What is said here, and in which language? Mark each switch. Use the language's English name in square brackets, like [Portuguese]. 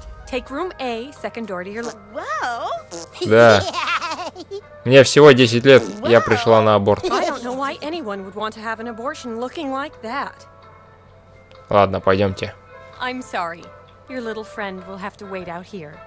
[English] Take room A, second door to your left. Whoa! [Russian] Да. Мне всего 10 лет, я пришла на аборт. [English] I don't know why anyone would want to have an abortion looking like that. [Russian] Ладно, пойдемте. [English] I'm sorry. Your little friend will have to wait out here.